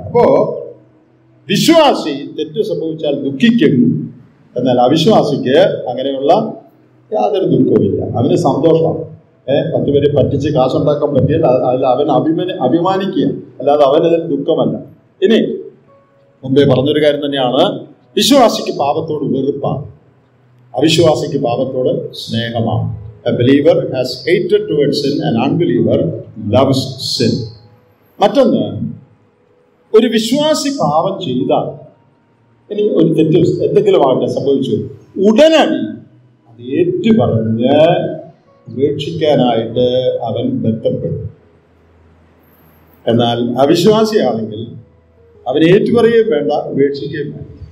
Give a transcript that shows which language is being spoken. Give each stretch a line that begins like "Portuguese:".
Malayalam: അപ്പോ വിശ്വാസി തെറ്റ് സംഭവിച്ചാൽ ദുഃഖിക്കും, എന്നാൽ അവിശ്വാസിക്ക് അങ്ങനെയുള്ള യാതൊരു ദുഃഖവുമില്ല. അവന് സന്തോഷമാണ്. പത്ത് പേര് പറ്റിച്ച് കാശുണ്ടാക്കാൻ പറ്റിയാൽ അതിൽ അവൻ അഭിമാനിക്കുക, അല്ലാതെ അവനതിൽ ദുഃഖമല്ല. ഇനി മുമ്പേ പറഞ്ഞൊരു കാര്യം തന്നെയാണ്, വിശ്വാസിക്ക് പാപത്തോട് വെറുപ്പാണ്, അവിശ്വാസിക്ക് പാപത്തോട് സ്നേഹമാണ്.
English: A believer has hatred towards sin, an unbeliever loves sin.
Malayalam: മറ്റൊന്ന്, ഒരു വിശ്വാസി പാപം ചെയ്താൽ, ഇനി ഒരു തെറ്റ് എന്തെങ്കിലും ആകട്ടെ സംഭവിച്ചു, ഉടനടി അത് ഏറ്റുപറഞ്ഞ് ഉപേക്ഷിക്കാനായിട്ട് അവൻ ബന്ധപ്പെടും. എന്നാൽ അവിശ്വാസിയാണെങ്കിൽ അവൻ ഏറ്റുപറയുകയും വേണ്ട, ഉപേക്ഷിക്കുകയും വേണ്ട.